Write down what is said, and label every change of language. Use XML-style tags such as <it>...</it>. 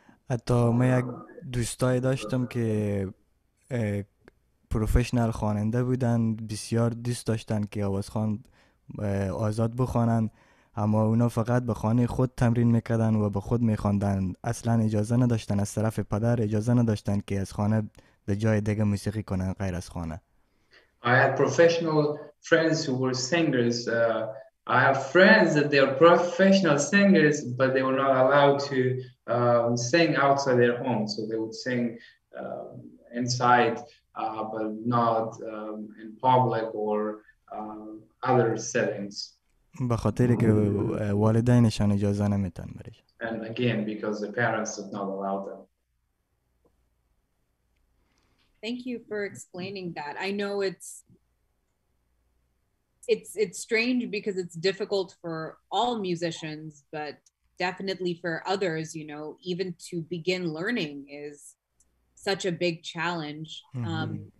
<fa>حتی من یک دوستایی داشتم که پروفشنال خواننده بودن بسیار دوست داشتن که آوازخوان آزاد بخوانن اما اونا فقط به خانه خود تمرین میکردن و به خود میخواندن اصلا اجازه نداشتن از طرف پدر اجازه نداشتن که از خانه به جای دیگه موسیقی کنن غیر از خانه.</fa> <en>I had professional friends who were singers. I have friends that they are professional singers, but they were not allowed to sing outside their home. So they would sing inside, but not in public or other settings.</en> <fa>به خاطر که والدینشان اجازه نمیتن برش.</fa> <en>And again, because the parents did not allow them. Thank you for explaining that. I know it's strange because it's difficult for all musicians, but definitely for others, you know, even to begin learning is such a big challenge. Mm-hmm.</en>